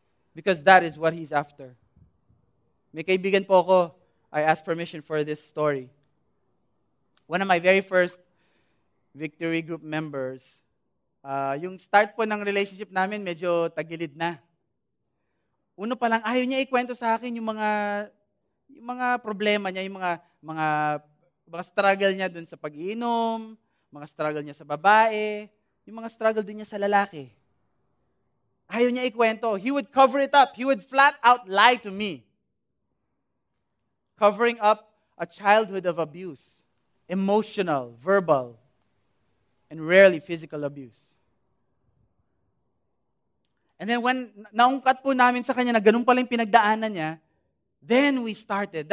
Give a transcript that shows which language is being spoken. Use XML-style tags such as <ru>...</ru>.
<en>Because that is what He's after.</en> <tl>May kaibigan po ako,</tl> <en>I ask permission for this story. One of my very first Victory Group members,</en> <tl>yung start po ng relationship namin, medyo tagilid na. Uno pa lang, ayaw niya ikwento sa akin yung mga problema niya, yung mga struggle niya dun sa pag-iinom, mga struggle niya sa babae, yung mga struggle din niya sa lalaki. Ayaw niya ikwento.</tl> <en>He would cover it up. He would flat out lie to me. Covering up a childhood of abuse. Emotional, verbal, and rarely physical abuse. And then when</en> <tl>naungkat po namin sa kanya na ganun pala yung pinagdaanan niya,</tl> <en>then we started.</en>